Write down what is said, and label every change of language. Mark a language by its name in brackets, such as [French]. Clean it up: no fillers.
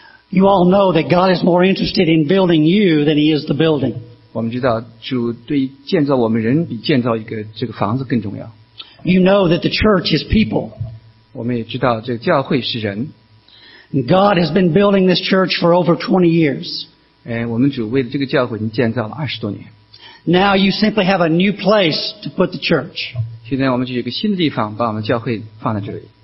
[English] You all know that God is more interested in building you than he is the building. [Chinese] 我们知道主对建造我们人比建造一个这个房子更重要。 [English] You know that the church is people. [Chinese] 我们也知道这个教会是人。 [English] God has been building this church for over 20 years. [Chinese] 我们主为了这个教会已经建造了20多年。 [English] Now you simply have a new place to put the church. [Chinese] 现在我们就有一个新的地方把我们教会放在这里。